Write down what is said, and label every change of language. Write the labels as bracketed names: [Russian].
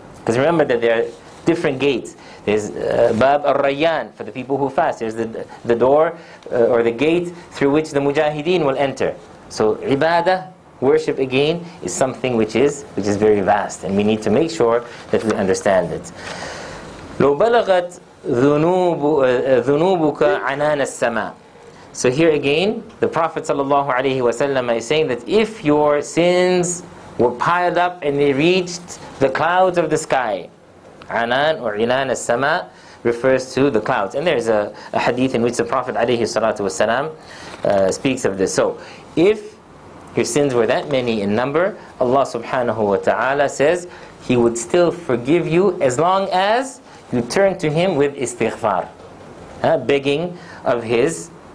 [English] Because remember that there are different gates. There's Bab al-Rayyan, for the people who fast. There's the door or the gate through which the mujahideen will enter. So ibadah, worship again, is something which is very vast. And we need to make sure that we understand it. [Arabic] لو بلغت ذنوبك عنان السماء. [English] So here again, the Prophet sallallahu alayhi wa sallam is saying that if your sins were piled up and they reached the clouds of the sky, Anan or Inan al-Sama refers to the clouds. And there's a hadith in which the Prophet alayhi salatu wasalam speaks of this. So, if your sins were that many in number, Allah subhanahu wa ta'ala says, He would still forgive you as long as you turn to Him with istighfar. Begging of His